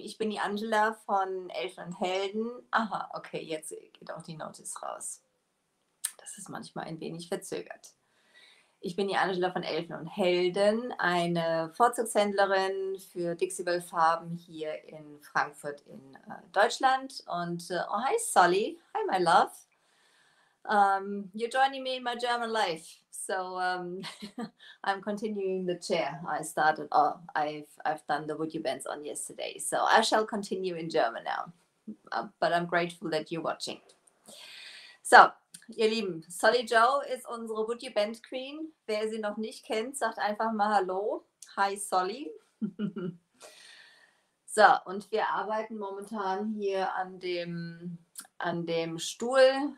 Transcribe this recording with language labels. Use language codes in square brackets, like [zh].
[de] Ich bin die Angela von Elfen und Helden. Aha, okay, jetzt geht auch die Notice raus. Das ist manchmal ein wenig verzögert. Ich bin die Angela von Elfen und Helden, eine Vorzugshändlerin für Dixi-Well-Farben hier in Frankfurt in Deutschland. [en] Und oh, hi Solly, hi my love. You're joining me in my German life. So I'm continuing the chair I started. Oh, I've done the Would You Bands on yesterday. So I shall continue in German now. But I'm grateful that you're watching. So. [de] Ihr Lieben, Solly Joe ist unsere Would You Band Queen. Wer sie noch nicht kennt, sagt einfach mal Hallo. Hi Solly. So, und wir arbeiten momentan hier an dem Stuhl.